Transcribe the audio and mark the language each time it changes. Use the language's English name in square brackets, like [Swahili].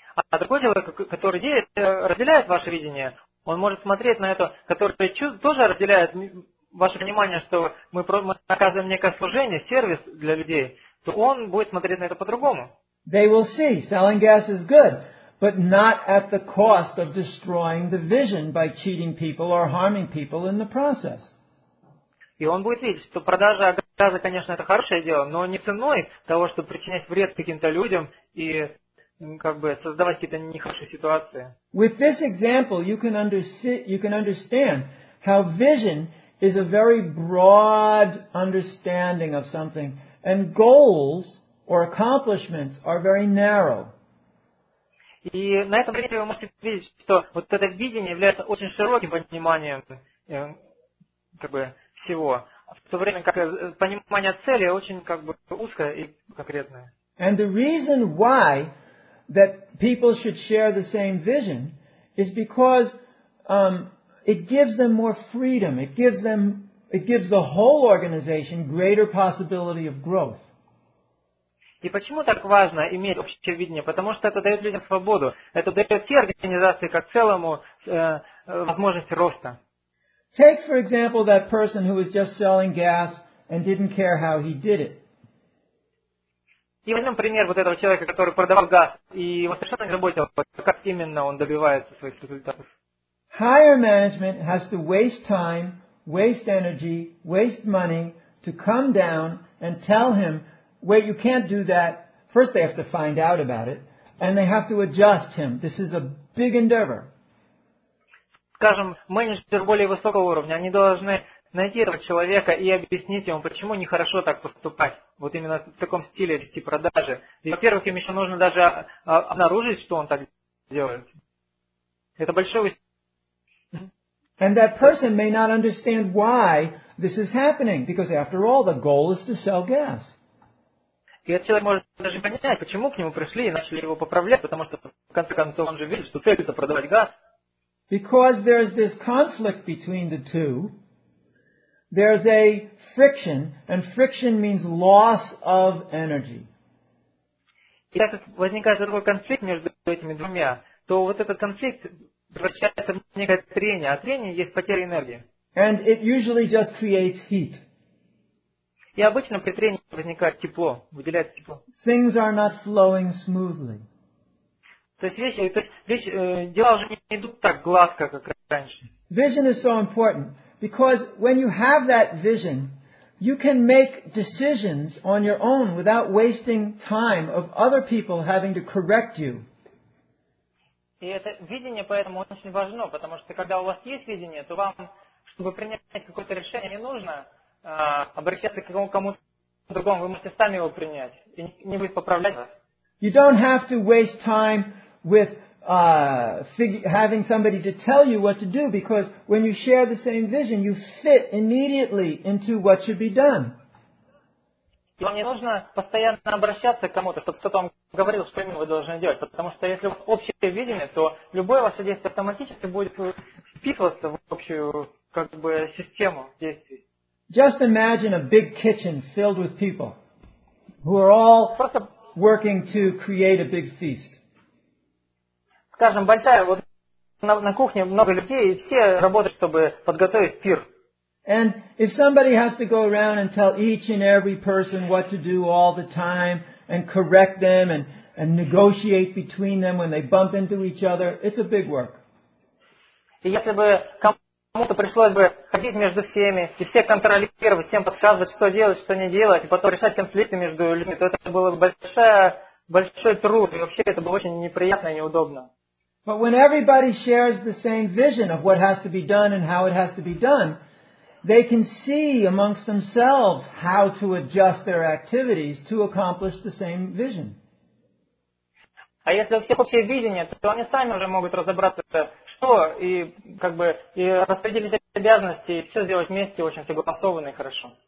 [Russian] А другой человек, который разделяет ваше видение, он может смотреть на это, который тоже разделяет ваше понимание, что мы оказываем некое служение, сервис для людей, то он будет смотреть на это по-другому. [English] They will see selling gas is good, but not at the cost of destroying the vision by cheating people or harming people in the process. [Russian] И он будет видеть, что продажа газа, конечно, это хорошее дело, но не ценой того, чтобы причинять вред каким-то людям и как бы создавать какие-то нехорошие ситуации. [English] With this example, you can understand how vision is a very broad understanding of something, and goals or accomplishments are very narrow. [Russian] И на этом примере вы можете видеть, что вот это видение является очень широким пониманием как бы всего, в то время как понимание цели очень как бы узкое и конкретное. [English] And the reason why that people should share the same vision is because it gives them more freedom. It gives the whole organization greater possibility of growth. [Russian] И почему так важно иметь общее видение? Потому что это дает людям свободу. Это дает всей организации как целому возможность роста. [English] Take, for example, that person who was just selling gas and didn't care how he did it. [Russian] И возьмем пример вот этого человека, который продавал газ, и его совершенно не заботило, как именно он добивается своих результатов. [English] Higher management has to waste time, waste energy, waste money to come down and tell him, wait, you can't do that. First they have to find out about it, and they have to adjust him. This is a big endeavor. [Russian] Скажем, менеджер более высокого уровня, они должны найти этого человека и объяснить ему, почему нехорошо так поступать, вот именно в таком стиле вести продажи. И, во-первых, им еще нужно даже обнаружить, что он так делает. Это большое усилие. [English] And that person may not understand why this is happening, because after all, the goal is to sell gas. [Russian] И этот человек может даже понять, почему к нему пришли и начали его поправлять, потому что, в конце концов, он же видит, что цель – это продавать газ. [English] Because there is this conflict between the two, there is a friction, and friction means loss of energy. [Russian] И так как возникает такой конфликт между этими двумя, то вот этот конфликт превращается в некое трение, а трение есть потеря энергии. [English] And it usually just creates heat. [Russian] И обычно при трении возникает тепло, выделяется тепло. [English] Things are not flowing smoothly. [Russian] То есть вещи, дела уже не идут так гладко, как раньше. [English] Vision is so important, because when you have that vision, you can make decisions on your own without wasting time of other people having to correct you. [Russian] И это видение поэтому очень важно, потому что когда у вас есть видение, то вам, чтобы принять какое-то решение, не нужно обращаться к кому-то другому, вы можете сами его принять и не будет поправлять вас. [English] You don't have to waste time with having somebody to tell you what to do, because when you share the same vision, you fit immediately into what should be done. [Russian] И вам не нужно постоянно обращаться к кому-то, чтобы кто-то вам говорил, что именно вы должны делать, потому что если у вас общее видение, то любое ваше действие автоматически будет вписываться в общую как бы систему действий. [English] Just imagine a big kitchen filled with people who are all working to create a big feast. [Russian] Скажем, большая вот на кухне много людей, и все работают, чтобы подготовить пир. [English] And if somebody has to go around and tell each and every person what to do all the time and correct them and negotiate between them when they bump into each other, it's a big work. [Russian] И если бы кому-то пришлось бы ходить между всеми и всех контролировать, всем подсказывать, что делать, что не делать, и потом решать конфликты между людьми, то это было бы большой труд, и вообще это было очень неприятно и неудобно. [English] But when everybody shares the same vision of what has to be done and how it has to be done, they can see amongst themselves how to adjust their activities to accomplish the same vision. [Russian] А если у всех общее видение, то они сами уже могут разобраться, что и как бы и распределить обязанности, и все сделать вместе очень согласованно и хорошо.